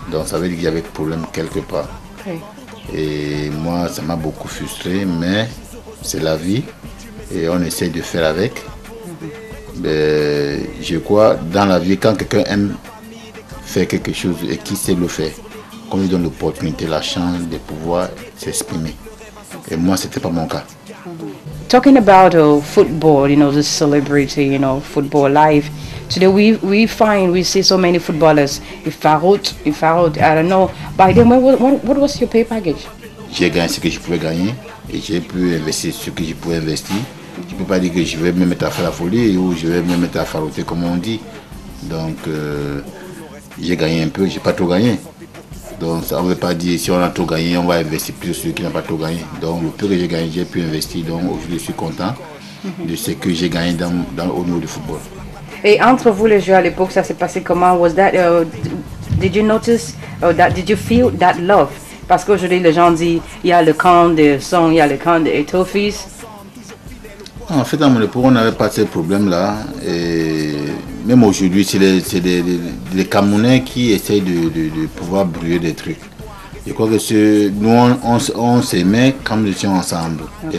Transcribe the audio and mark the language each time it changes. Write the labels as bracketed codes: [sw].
[fr] Donc ça veut dire qu'il y avait des problèmes quelque part. Et moi, ça m'a beaucoup frustré, mais c'est la vie et on essaie de faire avec. Mais je crois, dans la vie, quand quelqu'un aime faire quelque chose et qui sait le faire, qu'on lui donne l'opportunité, la chance de pouvoir s'exprimer. Et moi, c'était pas mon cas. [en] Talking about football, you know, the celebrity, you know, football life. Today we see so many footballers. Ifarout, I don't know. By then, what was your pay package? [fr] J'ai gagné ce que je pouvais gagner et j'ai pu investir ce que je pouvais investir. Je peux pas dire que je vais me mettre à faire la folie ou je vais me mettre à farouter comme on dit. Donc j'ai gagné un peu, j'ai pas tout gagné. Donc ça ne veut pas dire si on a tout gagné, on va investir plus sur ceux qui n'ont pas tout gagné. Donc le peu que j'ai gagné, j'ai pu investir. Donc aujourd'hui, je suis content de ce que j'ai gagné dans au niveau du football. Et entre vous les joueurs à l'époque, ça s'est passé comment? [en] Was that did you notice or that did you feel that love? [fr] Parce qu'aujourd'hui, les gens disent il y a le camp de Song, il y a le camp de Etofis. En fait, à mon époque, on n'avait pas ce problème-là. Et même aujourd'hui, c'est les Camerounais qui essayent de pouvoir brûler des trucs. Je crois que nous, on s'aimait quand nous étions ensemble, okay.